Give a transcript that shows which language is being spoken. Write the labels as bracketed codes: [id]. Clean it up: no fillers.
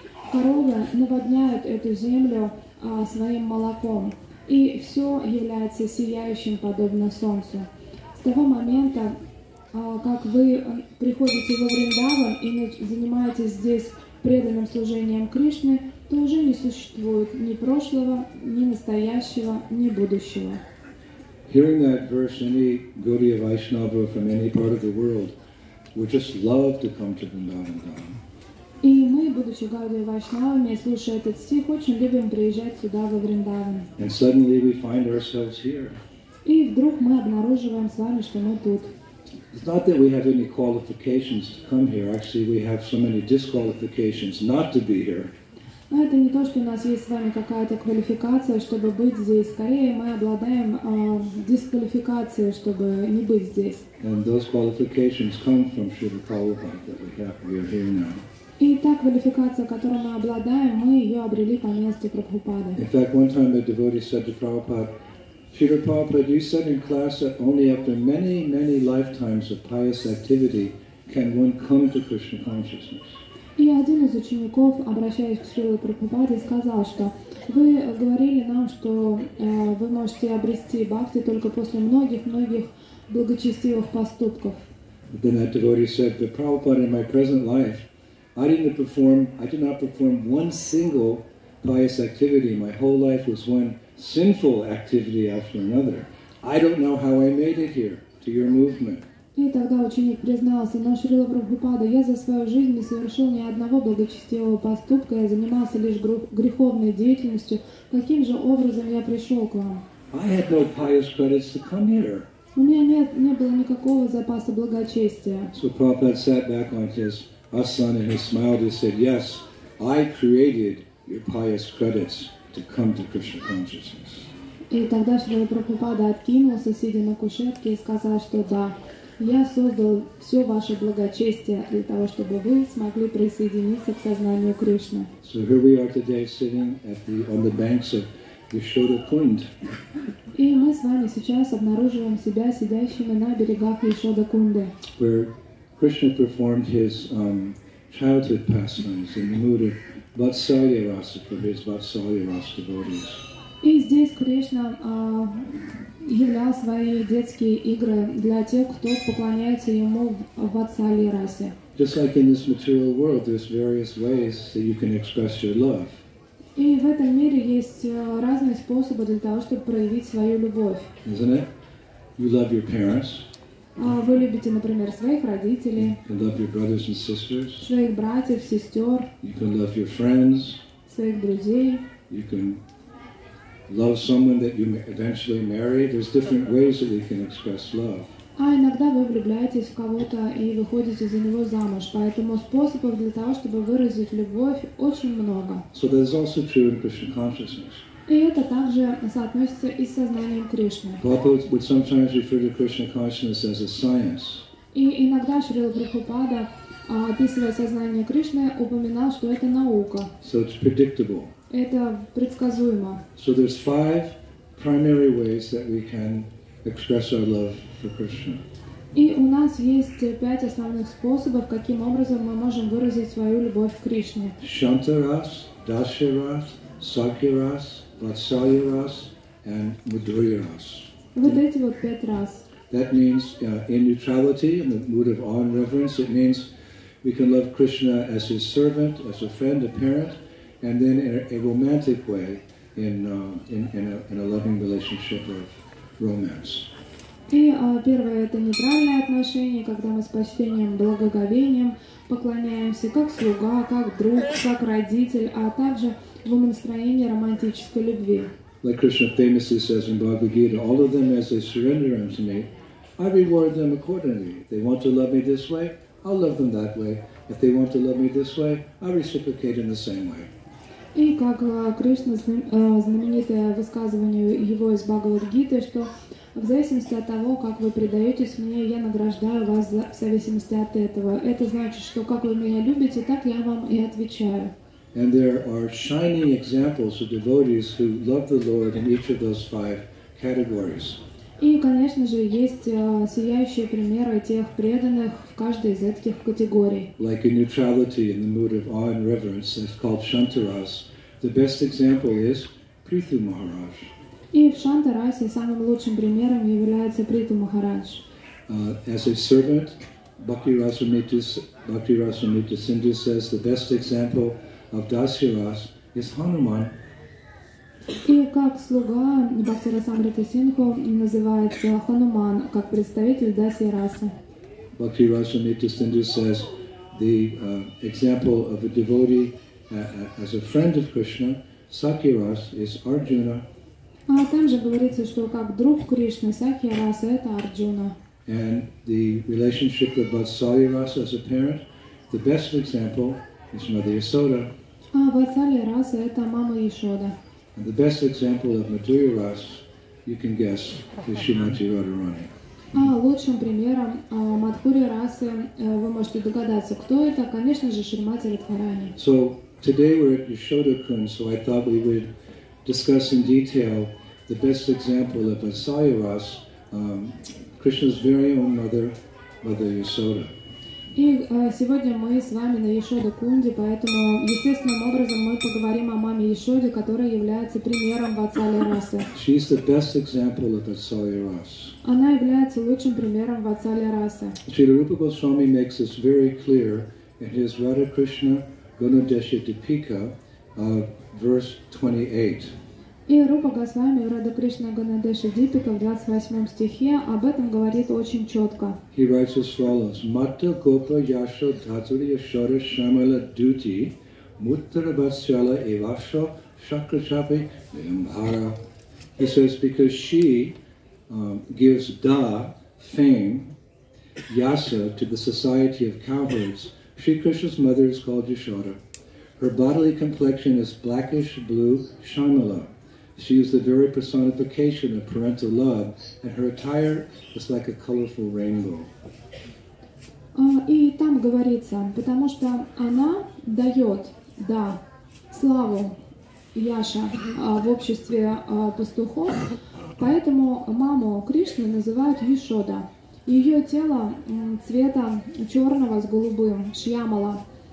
[ru] Коровы наводняют эту землю своим молоком, и все является сияющим, подобно солнцу. С того момента, как вы приходите во Вриндаван и занимаетесь здесь преданным служением Кришне, то уже не существует ни прошлого, ни настоящего, ни будущего. [en] Hearing that verse, any Gaudiya Vaishnava from any part of the world would just love to come to Vrindavan Dham. [ru] И мы, будучи Гаудия Вайшнавами, слушая этот стих, очень любим приезжать сюда, во Вриндаван. [en] And suddenly we find ourselves here. [ru] И вдруг мы обнаруживаем с вами, что мы тут. [en] It's not that we have any qualifications to come here. Actually, we have so many disqualifications not to be here. [ru] Но это не то, что у нас есть с вами какая-то квалификация, чтобы быть здесь. Скорее, мы обладаем дисквалификацией, чтобы не быть здесь. [en] And those qualifications come from Śrīla Prabhupāda that we have. We are here now. [ru] И та квалификация, которую мы обладаем, мы ее обрели по месту Прабхупады. [en] In fact, one time a devotee said to Prabhupada, Śrīla Prabhupāda, you said in class that only after many, many lifetimes of pious activity can one come to Krishna consciousness. [ru] И один из учеников, обращаясь к Шриле Прабхупаде, сказал, что вы говорили нам, что вы можете обрести бхакти только после многих-многих благочестивых поступков. [en] Then that devotee said, but Prabhupada, in my present life, I did not perform one single pious activity. My whole life was one sinful activity after another. I don't know how I made it here to your movement. [ru] И тогда ученик признался, но Шрила Прабхупада, я за свою жизнь не совершил ни одного благочестивого поступка, я занимался лишь греховной деятельностью. Каким же образом я пришел к вам? [en] I had no pious credits to come here. [ru] У меня не было никакого запаса благочестия. [en] So Prabhupada sat back on his asana and he smiled and said, yes, I created your pious credits to come to Krishna consciousness. [ru] И тогда Шрила Прабхупада откинулся, сидя на кушетке, и сказал, что да. Я создал все ваше благочестие для того, чтобы вы смогли присоединиться к сознанию Кришны. [en] So here we are today sitting on the banks of Yasoda Kund. [ru] И мы с вами сейчас обнаруживаем себя сидящими на берегах Yasoda Kunda. [en] Where Krishna performed his childhood pastimes in the mood of Vatsalya Rasa for his Vatsalya Rasa devotees. [ru] И здесь Кришна являл свои детские игры для тех, кто поклоняется ему в Ватсалья расе. [en] Just like in this material world, there's various ways that you can express your love. [ru] И в этом мире есть разные способы для того, чтобы проявить свою любовь. [en] Isn't it? You love your parents. [ru] Вы любите, например, своих родителей. [en] You love your brothers and sisters. [ru] Своих братьев, сестер. [en] You can love your friends. [ru] Своих друзей. [en] You can love someone that you eventually marry. There's different ways that we can express love. [ru] А иногда вы влюбляетесь в кого-то и выходите за него замуж. Поэтому способов для того, чтобы выразить любовь, очень много. [en] So that is also true in Krishna consciousness. [ru] И это также соотносится и с сознанием Кришны. [en] Prabhupada would sometimes refer to Krishna consciousness as a science. [ru] И иногда Шрила Прабхупада, описывая сознание Кришны, упоминал, что это наука. [en] So it's predictable. [ru] Это предсказуемо. [en] So there's five primary ways that we can express our love for Krishna. [ru] И у нас есть пять основных способов, каким образом мы можем выразить свою любовь к Кришне. [en] Shantaras, Dasharas, Sakyaras, Vatsalyaras, and Madhuryaras. [ru] Вот эти вот пять раз. [en] That means in neutrality, in the mood of awe and reverence, it means we can love Krishna as his servant, as a friend, a parent, and then in a romantic way, in a loving relationship of romance. [ru] И первое это нейтральное отношение, когда мы с почтением, благоговением поклоняемся как слуга, как друг, как родитель, а также в умонастроении романтической любви. [en] Like Krishna famously says in Bhagavad Gita, all of them as they surrender unto me, I reward them accordingly. If they want to love me this way, I'll love them that way. If they want to love me this way, I reciprocate in the same way. [ru] И как Кришна, знаменитое высказывание его из Бхагавад-гиты, что в зависимости от того, как вы предаетесь мне, я награждаю вас в зависимости от этого. Это значит, что как вы меня любите, так я вам и отвечаю. [en] And there are shining examples of devotees who love the Lord in each of those five categories. [ru] И, конечно же, есть сияющие примеры тех преданных в каждой из этих категорий. [en] Like in neutrality, in the mood of awe and reverence, it's called Shantaras. The best example is Prithu Maharaj. [ru] И в Шантарасе самым лучшим примером является Прита Махарадж. [en] As a servant, Bhakti Rasamrita Sindhu says the best example of Dasyaras is Hanuman. [ru] И как слуга Бхакти Расамрита Сингху называется Хануман, как представитель Дасья Расы. [en] Бхакти Расамрита Сингху says the example of a devotee as a friend of Krishna, Сакьярас, is Arjuna. [ru] А там же говорится, что как друг Кришны, Сакьярас – это Арджуна. [en] And the relationship of Vatsalya Rasa as a parent, the best example is Mother Yasoda. [ru] А Vatsalya Rasa – это мама Ясода. [en] And the best example of Madhurya Ras, you can guess, is Shrimati Radharani. [ru] А лучшим примером Мадхурья Расы вы можете догадаться, кто это? Конечно же, Шримати Радхарани. [en] So today we're at Yasoda Kund, so I thought we would discuss in detail the best example of Vatsalya Ras, Krishna's very own mother, Mother Yasoda. [ru] И сегодня мы с вами на Ясода Кунде, поэтому естественным образом мы поговорим о маме Ясоде, которая является примером Ватсали Расы. [en] She's the best example of Ватсали Расы. [ru] Она является лучшим примером Ватсали Расы. [en] Шрила Рупа Госвами makes this very clear in his Radha Krishna Gunadesha Deepika, verse 28. [ru] И Рупа Госвами в Радха Кришна Гунадеша Дипика в 28 стихе об этом говорит очень четко. [sa] He writes as follows: Mata Gopa Yasho Dhaturi Yashoda Shamala Duti Mutra Vatsala Evasho Shakrachapi Vyambhara. [en] He says, because she gives Da fame, Yasa, to the society of cowherds, Sri Krishna's mother is called Yashoda. Her bodily complexion is blackish blue Shamala. She is the very personification of parental love, and her attire is like a colorful rainbow. [ru] И там говорится, потому что она дает, да, славу Яша в обществе пастухов, поэтому маму Кришны называют Ясода. Ее тело цвета черного с голубым, Шьямала.